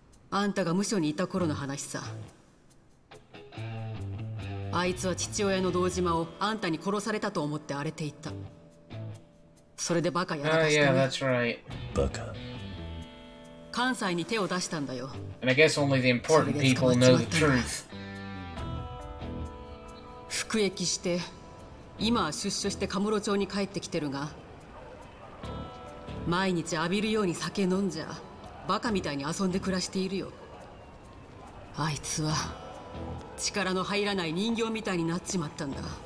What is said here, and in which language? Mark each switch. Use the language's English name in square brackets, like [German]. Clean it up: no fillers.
[Japanese] あんたが無所にいた頃の話さ。あいつは父親の堂島をあんたに殺されたと思って荒れていた。それでバカやらかしたね。 [English] Yeah, that's right. [Japanese] バカ。関西に手を出したんだよ。 [English] And I guess only the important people know the truth。 [Japanese] 服役して今は出所してカムロ町に帰ってきてるが、毎日浴びるように酒飲んじゃバカみたいに遊んで暮らしているよ。あいつは力の入らない人形みたいになっちまったんだ。